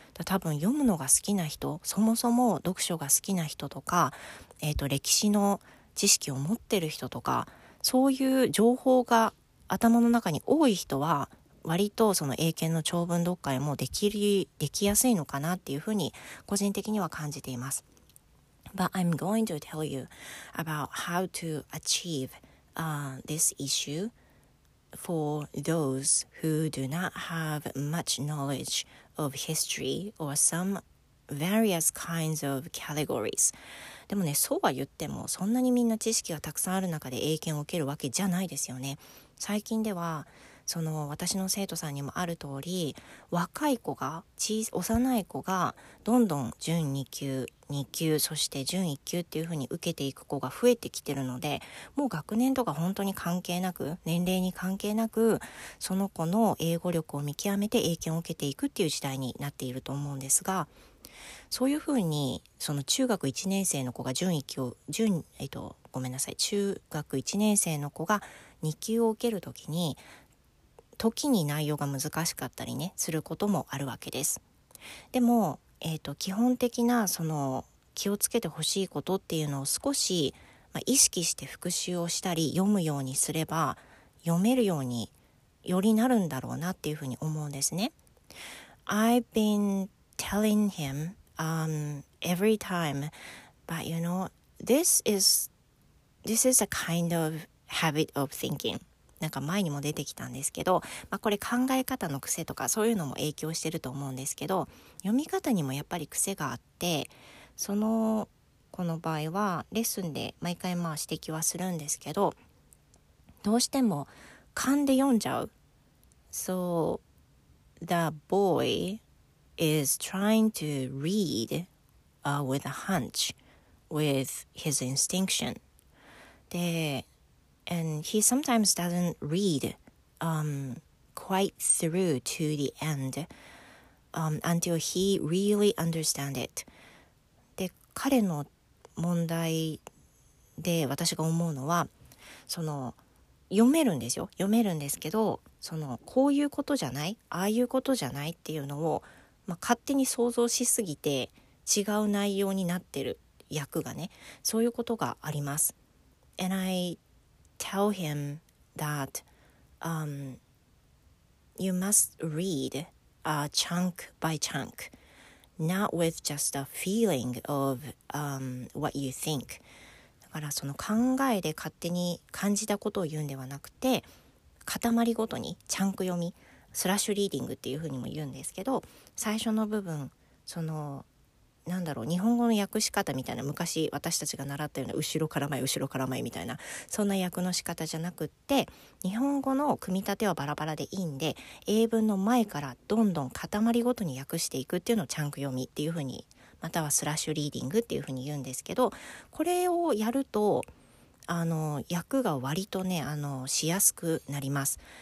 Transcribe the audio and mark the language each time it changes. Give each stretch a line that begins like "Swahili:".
Japanese: 多分読むのが好きな人、そもそも読書が好きな人とか、歴史の知識を持ってる人とか、そういう情報が頭の中に多い人は割とその英検の長文読解もできやすいのかなっていうふうに個人的には感じています。
English: But I'm going to tell you about how to achieve this issue for those who do not have much knowledge of history or some various kinds of categories.
Japanese: でもね、そうは言ってもそんなにみんな知識がたくさんある中で英検を受けるわけじゃないですよね。最近ではその私の生徒さんにもある通り、若い子が、幼い子がどんどん準2級、2級、そして準1級っていう風に受けていく子が増えてきてるので、もう学年とか本当に関係なく、年齢に関係なく、その子の英語力を見極めて英検を受けていくっていう時代になっていると思うんですが、そういう風にその中学1年生の子が準1級を、ごめんなさい、中学1年生の子が2級を受けるときに、時に内容が難しかったりね、することもあるわけです。でも、基本的なその気をつけてほしいことっていうのを少し、意識して復習をしたり、読むようにすれば、読めるようによりなるんだろうなっていうふうに思うんですね。
English: I've been telling him every time, but you know, this is a kind of habit of thinking.
Japanese: なんか前にも出てきたんですけど、まあ、これ考え方の癖とかそういうのも影響してると思うんですけど、読み方にもやっぱり癖があって、そのこの場合はレッスンで毎回まあ指摘はするんですけど、どうしても勘で読んじゃう。
English: So the boy is trying to read with a hunch with his instinction で、And he sometimes doesn't read quite through to the end until he really understand it.
Japanese: で、彼の問題で私が思うのは、その読めるんですよ。読めるんですけど、そのこういうことじゃない、ああいうことじゃないっていうのを、まあ、勝手に想像しすぎて違う内容になってる訳がね、そういうことがあります。
English: And I tell him that you must read chunk by chunk, not with just a feeling of what you think.
Japanese: だからその考えで勝手に感じたことを言うんではなくて、塊ごとにチャンク読み、スラッシュリーディングっていうふうにも言うんですけど、最初の部分、そのなんだろう、日本語の訳し方みたいな、昔私たちが習ったような後ろから前後ろから前みたいな、そんな訳の仕方じゃなくって、日本語の組み立てはバラバラでいいんで、英文の前からどんどん塊ごとに訳していくっていうのをチャンク読みっていうふうに、またはスラッシュリーディングっていうふうに言うんですけど、これをやると、あの訳が割とね、あのしやすくなります。